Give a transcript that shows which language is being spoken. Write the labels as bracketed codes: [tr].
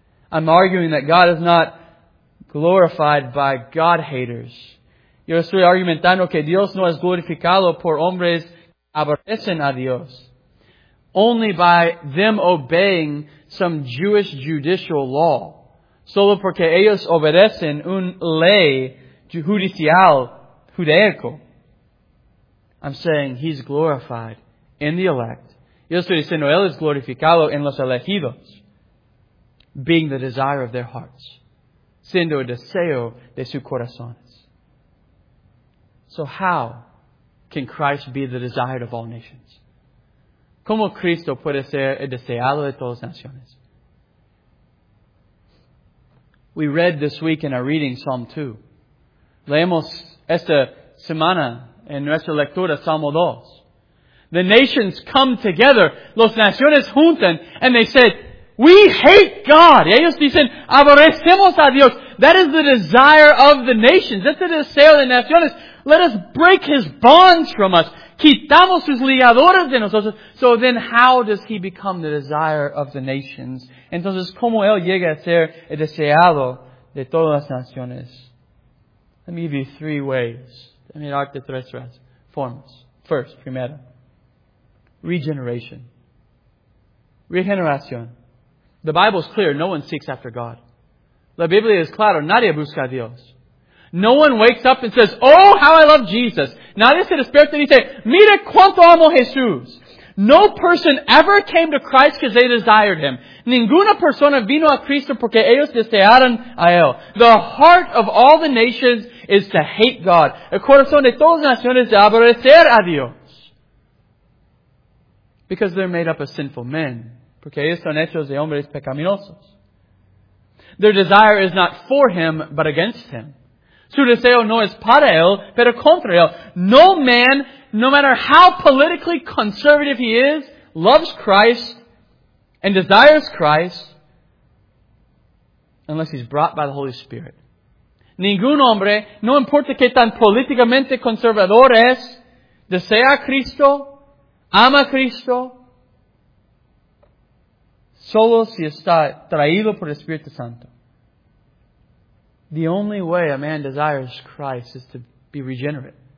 [en] I'm arguing that God is not glorified by God-haters. [es] Yo estoy argumentando que Dios no es glorificado por hombres que aborrecen a Dios. [en] Only by them obeying some Jewish judicial law. [es] Solo porque ellos obedecen un ley judicial judaico. [en] I'm saying He's glorified in the elect. [es] Yo estoy diciendo Él es glorificado en los elegidos. [en] Being the desire of their hearts. [es] Siendo el deseo de sus corazones. [en] So how can Christ be the desired of all nations? [es] ¿Cómo Cristo puede ser el deseado de todas las naciones? [en] We read this week in our reading Psalm 2. [es] Leemos esta semana en nuestra lectura Salmo 2. [en] The nations come together, [es] los naciones juntan, [en] and they said, we hate God. [es] Y ellos dicen, aborrecemos a Dios. [en] That is the desire of the nations. [es] Es el deseo de naciones. [en] Let us break His bonds from us. [es] Quitamos sus ligadores de nosotros. [en] So then how does He become the desire of the nations? [es] Entonces, ¿cómo Él llega a ser el deseado de todas las naciones? [en] Let me give you three ways. Let me [es] darte tres formas. [en] First, [es] primero. [en] Regeneration. [es] Regeneración. [en] The Bible is clear. No one seeks after God. [es] La Biblia es clara. Nadie busca a Dios. [en] No one wakes up and says, oh, how I love Jesus. [es] Nadie se despierta y dice, mira cuánto amo Jesús. [en] No person ever came to Christ because they desired Him. [es] Ninguna persona vino a Cristo porque ellos desearon a Él. [en] The heart of all the nations is to hate God. [es] El corazón de todas las naciones de aborrecer a Dios. [en] Because they're made up of sinful men. [es] Porque ellos son hechos de hombres pecaminosos. [en] Their desire is not for Him, but against Him. [es] Su deseo no es para él, pero contra él. [en] No man, no matter how politically conservative he is, loves Christ and desires Christ unless he's brought by the Holy Spirit. [es] Ningún hombre, no importa qué tan políticamente conservador es, desea a Cristo, ama a Cristo, solo si está traído por el Espíritu Santo. [en] The only way a man desires Christ is to be regenerate.